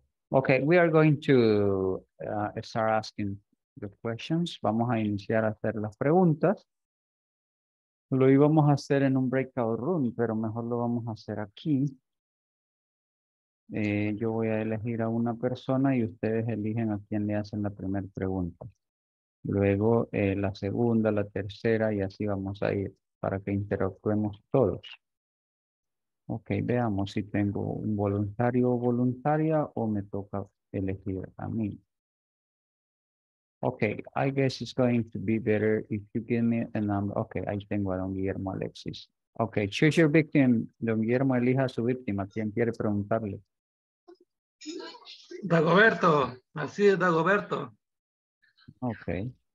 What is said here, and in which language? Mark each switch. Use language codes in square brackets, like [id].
[en] Okay, we are going to start asking the questions. [es] Vamos a iniciar a hacer las preguntas. Lo íbamos a hacer en un breakout room, pero mejor lo vamos a hacer aquí. Yo voy a elegir a una persona y ustedes eligen a quién le hacen la primera pregunta. Luego la segunda, la tercera y así vamos a ir para que interactuemos todos. Ok, veamos si tengo un voluntario o voluntaria o me toca elegir a mí. [en] Ok, I guess it's going to be better if you give me a number. [es] Ok, ahí tengo a don Guillermo Alexis. Ok, [en] choose your victim. [es] Don Guillermo, elija a su víctima. ¿Quién quiere preguntarle? Dagoberto, así es Dagoberto. [en] Okay.